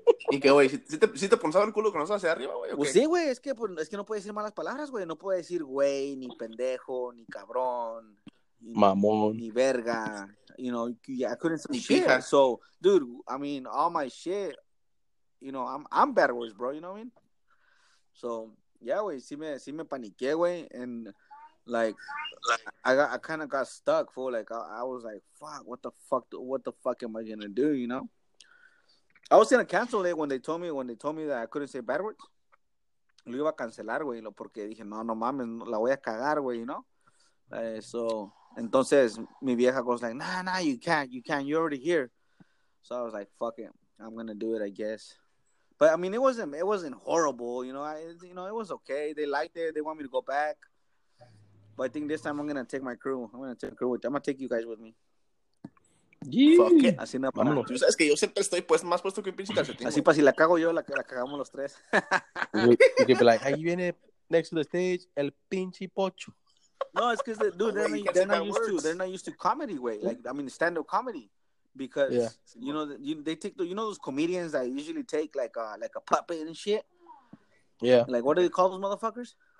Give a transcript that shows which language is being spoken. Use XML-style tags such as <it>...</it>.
<es>Y que, güey, si te ponzaba el culo con eso hacia arriba, güey. Pues sí, güey, es que no puede decir malas palabras, güey. No puede decir güey, ni pendejo, ni cabrón, ni mamón, ni verga.</es> <en>You know, yeah, I couldn't say shit. Pija. So, dude, I mean, all my shit, you know, I'm bad words, bro, you know what I mean? So, yeah,</en> <es>güey, sí me paniqué, güey.</es> <en>And, like I kind of got stuck, fool. Like, I was like, fuck, what the fuck am I gonna do, you know? I was gonna cancel it when they told me that I couldn't say bad words.</en> <es>Lo iba a cancelar, güey, porque dije, no mames, la voy a cagar, güey,</es> <en>you know? So,</en> <es>entonces, mi vieja</es> <en>goes like, nah, you can't, you're already here. So I was like, fuck it, I'm gonna do it, I guess. But I mean, it wasn't horrible, you know. It was okay. They liked it. They want me to go back. But I think this time I'm gonna take my crew. I'm gonna take you guys with me.</en> <es>Yeah. Así no, vámonos. Tú sabes que yo siempre estoy más puesto que un pinche calcetín. Así para si la cago yo, la cagamos los tres.</es> <en>You'd be like,</en> <es>ahí viene</es> <en>next to the stage</en> <es>el pinche pocho.</es> <en>No, it's because they're not used to comedy, way. Like, I mean, stand up comedy, because you know they take the, you know, those comedians that usually take like a puppet and shit. Yeah. Like, what do they call those motherfuckers?</en>